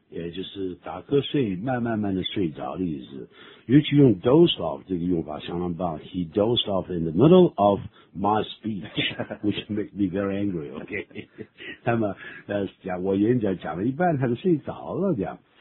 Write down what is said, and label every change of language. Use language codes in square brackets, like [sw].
[zh] 也就是打瞌睡，慢慢慢的睡着的意思。尤其用 doze off 这个用法相当棒。 [en] He dozed off in the middle of my speech, which makes me very angry, okay? [zh] 那么讲我演讲讲了一半他就睡着了这样。